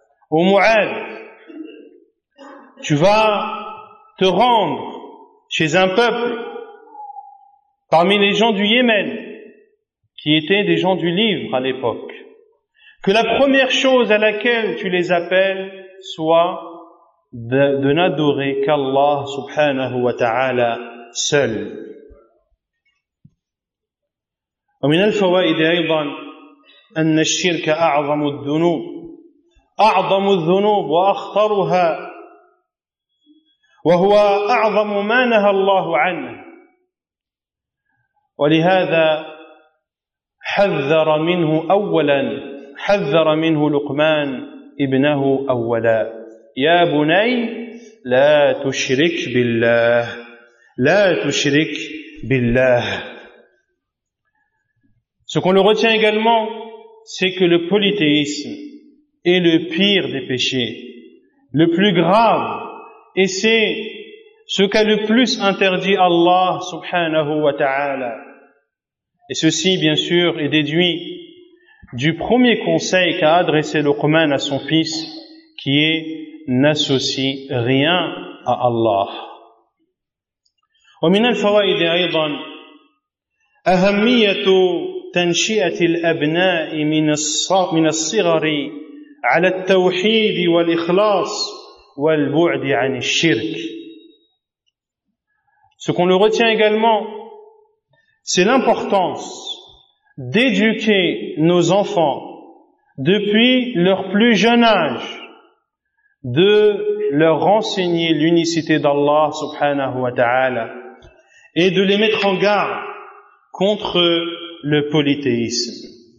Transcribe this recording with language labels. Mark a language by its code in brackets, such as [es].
[fr] Ô Mu'ad, tu vas te rendre chez un peuple parmi les gens du Yémen, qui étaient des gens du livre à l'époque, que la première chose à laquelle tu les appelles soit de n'adorer qu'Allah subhanahu wa ta'ala seul. [ar] Et من الفوائد ايضا ان الشرك اعظم الذنوب اعظم الذنوب واخطرها وهو اعظم ما نهى الله عنه ولهذا حذر منه اولا حذر منه لقمان ابنه اولا يا بني لا تشرك بالله لا تشرك بالله. [fr] Ce qu'on le retient également, c'est que le polythéisme est le pire des péchés, le plus grave, et c'est ce qu'a le plus interdit Allah subhanahu wa ta'ala. Et ceci, bien sûr, est déduit du premier conseil qu'a adressé Luqman à son fils, qui est « N'associe rien à Allah ». [ar] ومن الفوائد أيضا أهمية تنشئة الأبناء من الصغر على التوحيد والإخلاص والبعد عن الشرك. [fr] Ce qu'on le retient également, c'est l'importance d'éduquer nos enfants depuis leur plus jeune âge, de leur enseigner l'unicité d'Allah subhanahu wa ta'ala et de les mettre en garde contre le polythéisme.